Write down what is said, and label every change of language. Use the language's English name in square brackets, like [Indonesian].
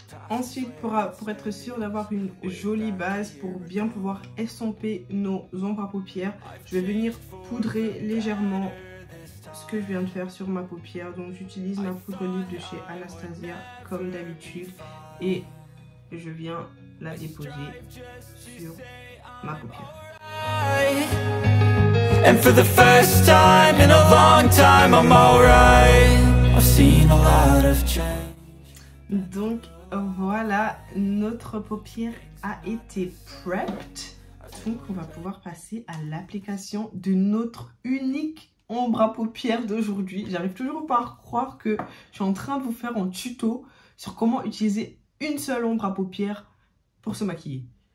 [French] Ensuite, pour être sûr d'avoir une jolie base, pour bien pouvoir estomper nos ombres à paupières, je vais venir poudrer légèrement ce que je viens de faire sur ma paupière. Donc j'utilise ma poudre libre de chez Anastasia, comme d'habitude, et je viens la déposer sur ma paupière. [English] And for the first time in a long time, I'm alright. I've seen a lot of change. [French] Donc, voilà, notre paupière a été prepped. Donc, on va pouvoir passer à l'application de notre unique ombre à paupières d'aujourd'hui. J'arrive toujours pas à croire que je suis en train de vous faire un tuto sur comment utiliser une seule ombre à paupières pour se maquiller.